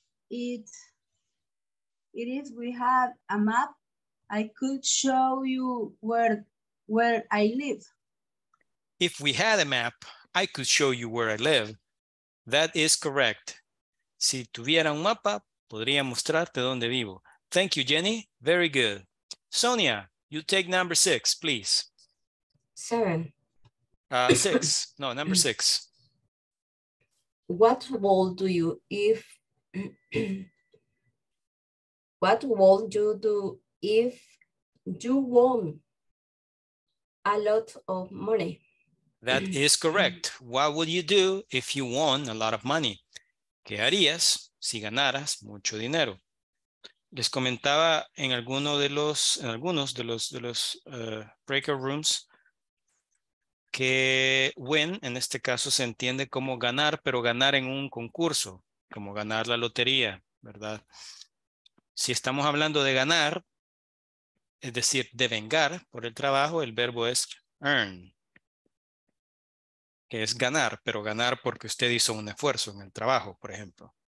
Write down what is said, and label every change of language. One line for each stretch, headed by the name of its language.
English: It is, we have a map. I could show you where I live. If we had a map, I could show you where I live. That is correct. Si tuviera un mapa, podría mostrarte donde vivo. Thank you, Jenny. Very good. Sonia, you take number six, please. Seven. Six. No, number six. What role do you if... What would you do if you won a lot of money? That is correct. What would you do if you won a lot of money?
Spanish: ¿Qué harías si ganaras mucho dinero? Les comentaba en alguno de los en algunos de los breakout rooms que win en este caso se entiende como ganar, pero ganar en un concurso. Como ganar la lotería, ¿verdad? Si estamos hablando de ganar, es decir, de vengar por el trabajo, el verbo es earn, que es ganar, pero ganar porque usted hizo un esfuerzo en el trabajo, por ejemplo.